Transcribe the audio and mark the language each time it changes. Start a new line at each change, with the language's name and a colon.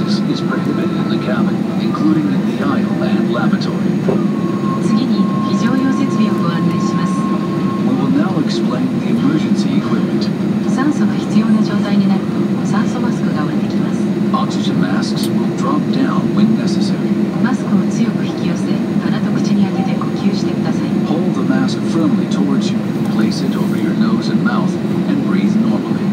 English: is prohibited in the cabin, including in the aisle and lavatory.
Japanese: 次に非常用設備をご案内します。
English: We will now explain the emergency equipment.
Japanese: 酸素が必要な状態になると酸素マスクが降りてきます。
English: Oxygen masks will drop down when necessary.
Japanese: マスクを強く引き寄せ、鼻と口に当てて呼吸してください。
English: Hold the mask firmly towards you. Place it over your nose and mouth and breathe normally.